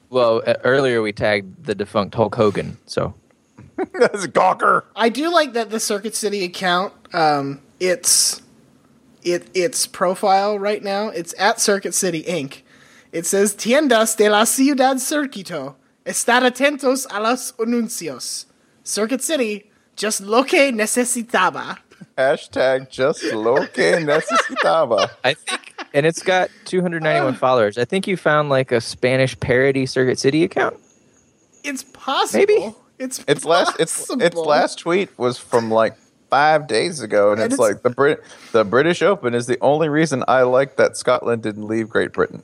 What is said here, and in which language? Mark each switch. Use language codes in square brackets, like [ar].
[en] Well, earlier we tagged the defunct Hulk Hogan, so. That's a gawker. I do like that the Circuit City account, its profile right now, it's at Circuit City, Inc., it says, Tiendas de la Ciudad Circuito. [es] Estar atentos a los anuncios. Circuit City, just lo que necesitaba. Hashtag just lo que necesitaba. [en] I think, and it's got 291 followers. I think you found like a Spanish parody Circuit City account. It's possible. Maybe. It's possible. Its last tweet was from like 5 days ago, and it's like the British Open is the only reason I like that Scotland didn't leave Great Britain.